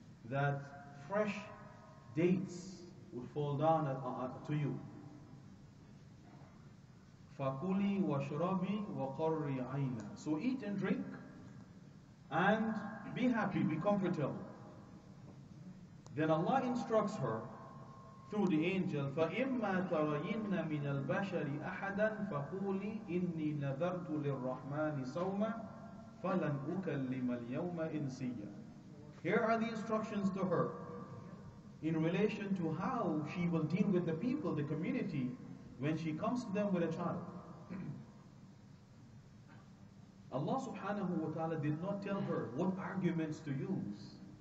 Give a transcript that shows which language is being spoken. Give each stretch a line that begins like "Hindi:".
English: That fresh dates would fall down to you.
Arabic: فَكُلِي وَشْرَبِي وَقَرِّي عَيْنَا.
English: So eat and drink and be happy, be comfortable. Then Allah instructs her through the angel,
Arabic: فَإِمَّا تَرَيِنَّ مِنَ الْبَشَرِ أَحَدًا فَقُولِي إِنِّي نَذَرْتُ لِلرَّحْمَنِ صَوْمًا فَلَنْ أُكَلِّمَ الْيَوْمَ إِنْسِيًّا.
English: Here are the instructions to her in relation to how she will deal with the people, the community, when she comes to them with a child. Allah subhanahu wa ta'ala did not tell her what arguments to use.